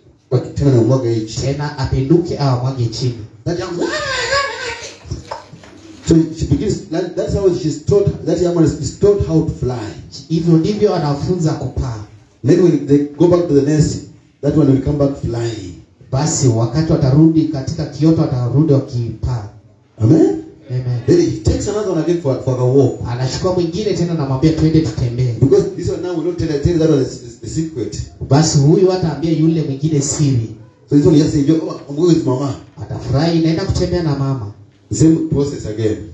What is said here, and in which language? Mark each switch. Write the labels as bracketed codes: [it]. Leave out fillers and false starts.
[sw] But tena mwage chini. Tena apenduke au mwage chini. [en] So she begins, that's how she's taught, that young one is taught how to fly. [sw] Hivyo ndivyo anafunza kupaa. [en] Then when they go back to the nest, that one will come back flying. [sw] Basi wakati watarudi katika kiota watarudi wakipaa. [en] Amen. Amen. Then he takes another one again for a walk. [sw] Anashukua mwingine tena na mwambia tuende tutembee. [en] Because this one now will not tell that one the secret. [sw] Basi huyu hataambia yule mwingine siri. [en] So this one he has to enjoy, oh, I'm going with mama. [sw] Ata Rai naenda kutembea na mama. [en] Same process again.